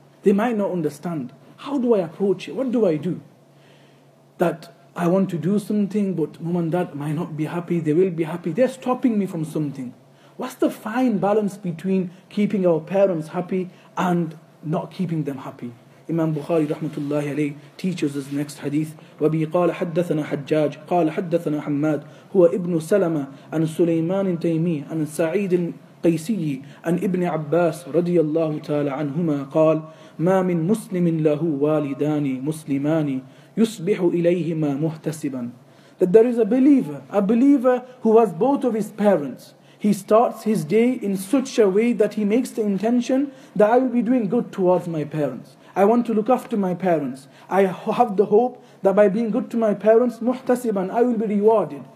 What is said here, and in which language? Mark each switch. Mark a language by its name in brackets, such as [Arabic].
[English] They might not understand. How do I approach it? What do I do? That I want to do something, but mom and dad might not be happy. They will be happy. They're stopping me from something. What's the fine balance between keeping our parents happy and not keeping them happy? Imam Bukhari rahmatullahi alayhi teaches us next hadith. [Arabic] وَبِي قَالَ حَدَّثَنَا حَجَّاجِ قَالَ حَدَّثَنَا حَمَّادِ هُوَ إِبْنُ سَلَمَا عَنْ سُلَيْمَانٍ تَيْمِيهِ عَنْ سَعِيدٍ قيسي عن ابن عباس رضي الله تعالى عنهما قال ما من مسلم له والدان مسلمان يصبح إليهما محتسبا. [English] That there is a believer who has both of his parents. He starts his day in such a way that he makes the intention that I will be doing good towards my parents. I want to look after my parents. I have the hope that by being good to my parents, muhtasiban, I will be rewarded.